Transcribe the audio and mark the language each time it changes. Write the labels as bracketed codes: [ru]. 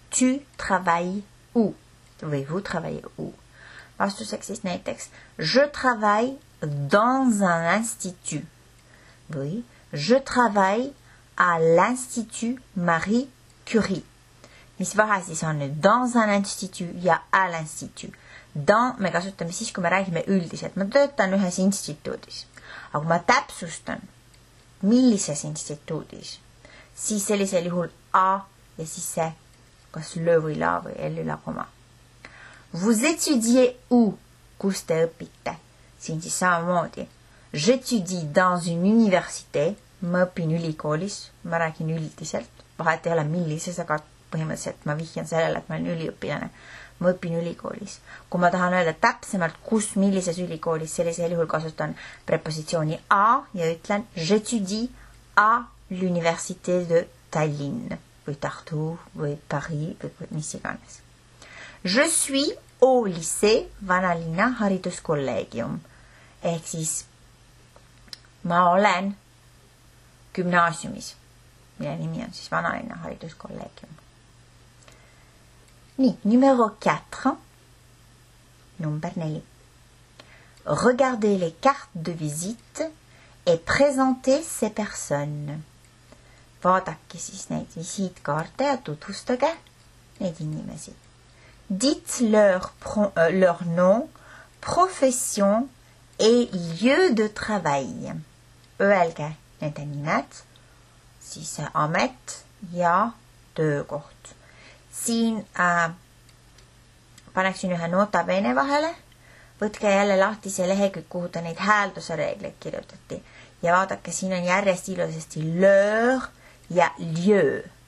[fr] Tu travailles où? Või vous travaillez où? [et] Vastuseks siis näiteks, [fr] je travaille dans un institut. Oui, je travaille à l'Institut Marie Curie. [et] Mis vahe siis on [fr] dans un institut [et] ja [fr] à l'institut. [et] Dans, me kasutame siis, kui me räägime üldiselt. Ma töötan ühes instituudis. Aga kui ma täpsustan, millises instituudis, siis sellisel juhul a ja siis see, kas le või la või elle la koma. [fr] Vous étudiez où? [et] Kus te õpite? Siin siis samamoodi. [fr] J'étudie dans une université. [et] Ma õpin ülikoolis. Ma räägin üldiselt. Vahet ei ole millises, aga põhimõtteliselt ma vihjan sellele, et ma olen üliõpilane. Ma õpin ülikoolis. Kui ma tahan öelda täpsemalt, kus millises ülikoolis, sellisel juhul kasutan prepositsiooni A ja ütlen [fr] j'étudie à l'université de Tallinn [et] või Tartu või Paris või mis iganes. [fr] Je suis au lycée [et] Vanalinna hariduskolleegium. Ehk siis ma olen gümnaasiumis, mille nimi on siis Vanalinna hariduskolleegium. Nii, [fr] numéro 4. [et] Number 4. [fr] Regardez les cartes de visite et présentez ces personnes. [et] Vaadake siis neid visiitkaarte ja tutvustage neid inimesi. [fr] Dites leur nom, profession et lieu de travail. [et] Öelge nende nimet, siis amet ja töökoht. Siin paneksin ühe noota peene vahele. Võtke jälle lahti see lehekülg, kuhu ta neid häälduse reegleid kirjutati. Ja vaadake, siin on järjest ilusesti leur ja lieu.